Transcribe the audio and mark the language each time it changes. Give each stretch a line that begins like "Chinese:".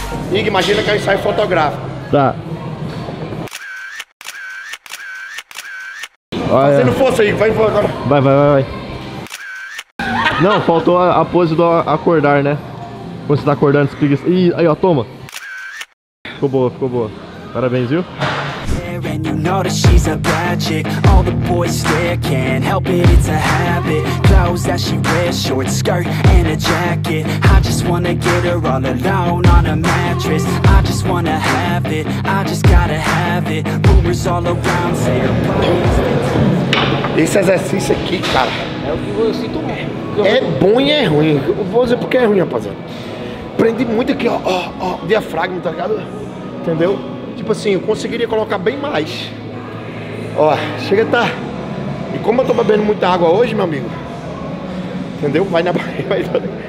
Portuguese: Igor, imagina que é um ensaio fotográfico. Tá. Você não fosse aí, vai embora agora. Vai. Não, faltou a pose do acordar, né? Quando você tá acordando, explica isso. Ih, aí ó, toma. Ficou boa. Parabéns, viu?
English: And you know that she's a bad chick. All the boys stare, can't help it, it's a habit. Clothes that she wears, short skirt and a jacket. I just wanna get her all alone on a mattress. I just wanna have it, I just gotta have it. Rumors all around say her boys.
Portuguese: Esse exercício aqui, cara, é o que eu sinto. É bom e é ruim. Eu vou dizer porque é ruim, rapaziada. Prendi muito aqui, ó, diafragma, tá ligado? Entendeu? Tipo assim, eu conseguiria colocar bem mais. Ó, chega a tá. E como eu tô bebendo muita água hoje, meu amigo. Entendeu? Vai na barriga.